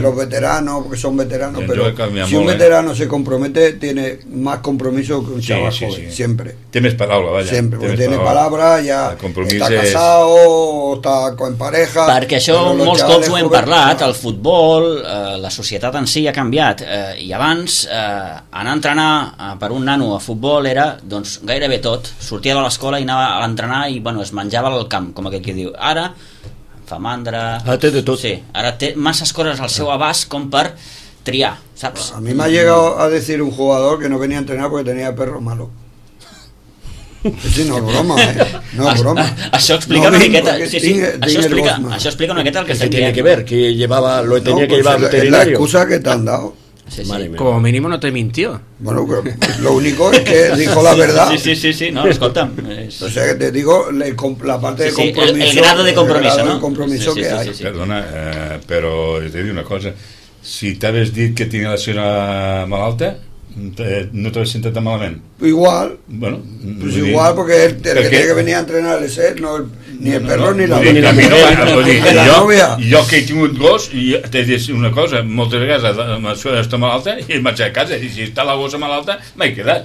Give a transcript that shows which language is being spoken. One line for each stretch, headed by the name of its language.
Spanish: los veteranos, porque son veteranos, pero si un veterano se compromete, tiene más compromiso que un chaval joven, siempre.
Catalan: Té més paraula, vaja.
Spanish: Sempre, porque tiene palabra, ya está casado, está en pareja...
Catalan: Perquè això molts cops ho hem parlat, el futbol, la societat en si ha canviat, i abans anar a entrenar per un nano a futbol era, doncs, gairebé tot, sortia de l'escola i anava a entrenar i, bueno, es menjava al camp, com aquest que diu. Ara... famandra... Ara té de tot. Sí, ara té masses coses al seu abast com per triar, saps?
Spanish: A mi m'ha llegado a decir un jugador que no venia a entrenar porque tenía perro malo. Sí, no, broma, no, broma.
Catalan: Això explica una miqueta. Això explica una miqueta el que
Spanish: se tiene que ver, que llevaba, lo tenía que llevar al veterinario. La excusa que te han dado. Sí, sí. Como mínimo no te mintió. Bueno, pero lo único es que dijo la verdad. Sí. No, escolta. O sea, que te digo la parte de compromiso. El grado de compromiso, ¿no? El compromiso que hay. Perdona, pero te digo una cosa. Si te habías dicho que tenía la señora malalta, no te habías sentido tan malamente. Igual. Bueno, pues igual, porque el que tenía que venir a entrenar es él, no el. Ni el perro ni la novia.
Catalan: Jo que he tingut gos, i t'he dit una cosa, moltes vegades la suena està malalta i he marxat a casa, i si està la gossa malalta m'he quedat.